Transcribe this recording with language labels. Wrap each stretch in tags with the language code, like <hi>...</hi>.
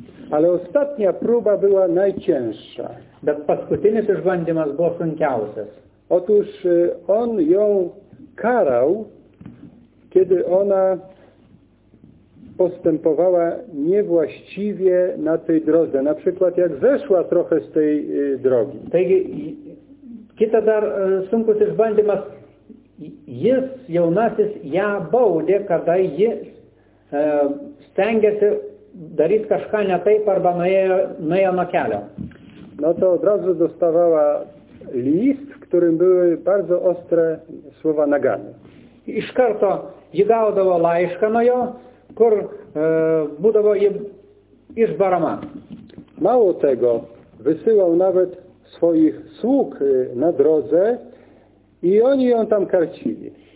<pl>Ale ostatnia próba była najcięższa.</pl> <lt>Bet paskutinis išbandymas buvo sunkiausias.</lt> <pl>Otóż on ją karał, kiedy ona postępowała niewłaściwie na tej drodze. Na przykład jak zeszła trochę z tej drogi.</pl> <lt>Taigi, kita dar sunkus išbandymas, jis jaunasis ją baudė, kada jis stengiasi daryt kažką ne taip arba nuėjo nuo kelio.</lt> <pl>No to od razu dostawała list, w którym były bardzo ostre słowa nagany.</pl> <lt>Iš karto ji gaudavo laišką nuo jo, kur būdavo ji išbarama.</lt> <pl>Mało tego, wysyłał nawet swoich sług na drodze i oni ją tam karcili.</pl>